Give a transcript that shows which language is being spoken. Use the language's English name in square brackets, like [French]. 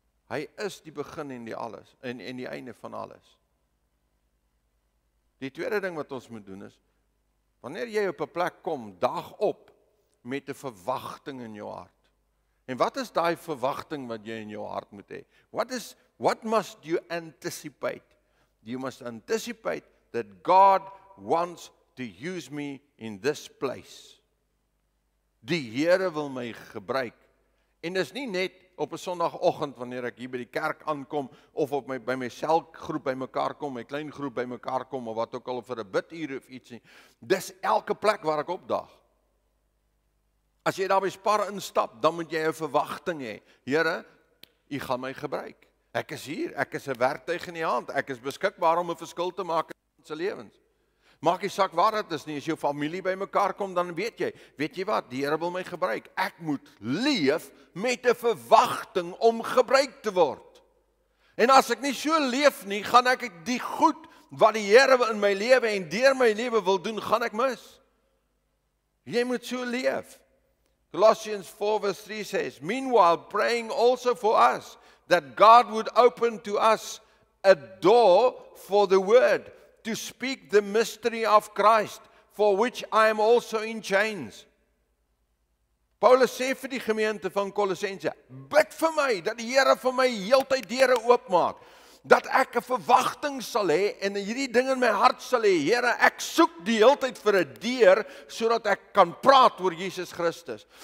[Afrikaans] Hy is die begin en die alles, en die einde van alles. Die tweede ding wat ons moet doen is, wanneer jy op 'n plek kom, daag op met 'n verwagting in jou hart. En wat is daai verwagting wat jy in jou hart moet hê? [English] What must you anticipate? You must anticipate that God wants to use me in this place. [Afrikaans] Die Here wil my gebruik. En dis nie net op 'n sonoggend wanneer ek hier by die kerk aankom of op my by my selgroep by mekaar kom, my klein groep by mekaar kom of wat ook al vir 'n biduur of iets nie. Dis elke plek waar ek opdaag. As jy daar by Spar instap, dan moet jy 'n verwagting hê. Here, U gaan my gebruik. Ek is hier, ek is 'n werktuig in die hand, ek is beskikbaar om 'n verskil te maak in se lewens. Maak nie saak waar dit is nie, as jou familie by mekaar kom, dan weet jy wat, die Here wil my gebruik, ek moet leef met 'n verwagting om gebruik te word, en as ek nie so leef nie, gaan ek die goed wat die Here in my lewe en deur my lewe wil doen, gaan ek mis. Jy moet so leef. [English] Colossians 4 vers 3 says, "Meanwhile praying also for us, that God would open to us a door for the word, to speak the mystery of Christ, for which I am also in chains." [Afrikaans] Paulus sê vir die gemeente van Kolossense, bid vir my, dat die Here vir my heeltyd deure oopmaak, dat ek 'n verwagting sal hê en hierdie ding in my hart sal hê, Here, ek soek die hele tyd vir 'n deur sodat ek kan praat oor Jesus Christus.